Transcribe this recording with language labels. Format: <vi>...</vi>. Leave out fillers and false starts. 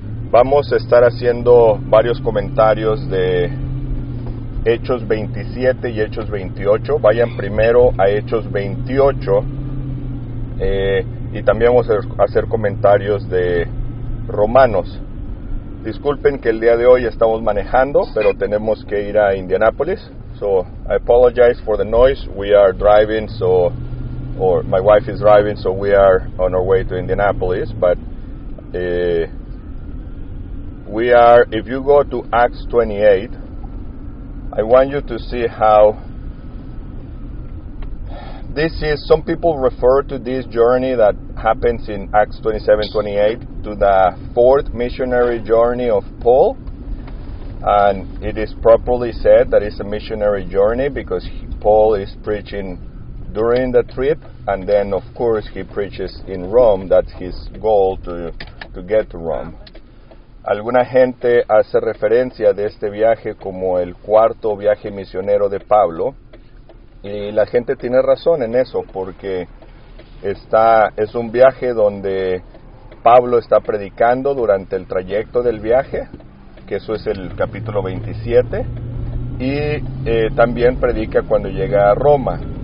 <es>Vamos a estar haciendo varios comentarios de Hechos 27 y Hechos 28. Vayan primero a Hechos 28 y también vamos a hacer comentarios de Romanos. Disculpen que el día de hoy estamos manejando, pero tenemos que ir a Indianapolis.</es> <en>So, I apologize for the noise. We are driving, or my wife is driving, so we are on our way to Indianapolis, but if you go to Acts 28, I want you to see how this is. Some people refer to this journey that happens in Acts 27-28 to the fourth missionary journey of Paul, and it is properly said that it's a missionary journey because Paul is preaching during the trip, and then of course he preaches in Rome. That's his goal, to get to Rome.</en> <es>Alguna gente hace referencia de este viaje como el cuarto viaje misionero de Pablo, y la gente tiene razón en eso, porque es un viaje donde Pablo está predicando durante el trayecto del viaje, que eso es el capítulo 27, y también predica cuando llega a Roma.</es>